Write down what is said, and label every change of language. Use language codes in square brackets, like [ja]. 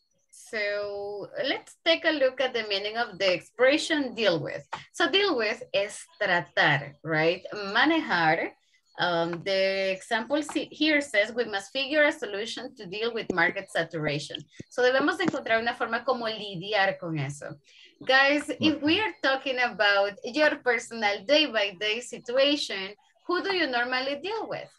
[en] So let's take a look at the meaning of the expression deal with. So deal with is tratar, right? Manejar, The example here says we must figure a solution to deal with market saturation. [es] So debemos de encontrar una forma como lidiar con eso. [en] Guys, if we are talking about your personal day-by-day situation, who do you normally deal with?